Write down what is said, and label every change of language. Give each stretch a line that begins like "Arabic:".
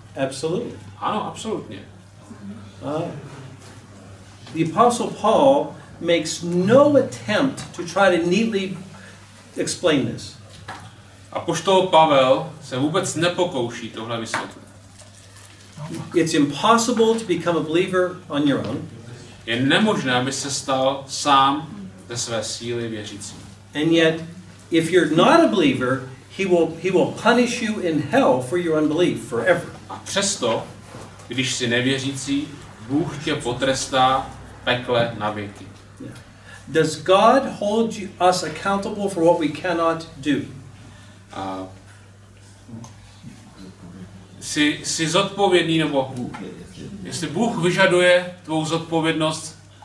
English: Absolutely.
Czech: Ano, absolutně.
English: The Apostle Paul makes no attempt to try to neatly explain this.
Czech: Apoštol Pavel se vůbec nepokouší tohle vysvětlit.
English: It's impossible to become a believer on your own.
Czech: Je nemožné, aby se stal sám ze své síly věřícím.
English: And yet, if you're not a believer, He will punish you in hell for your unbelief forever.
Czech: A přesto, když jsi nevěřící, Bůh tě potrestá pekle na věky.
English: Does God hold us accountable for what we cannot do?
Czech: Jsi zodpovědný nebo Bůh? Jestli Bůh vyžaduje tvou zodpovědnost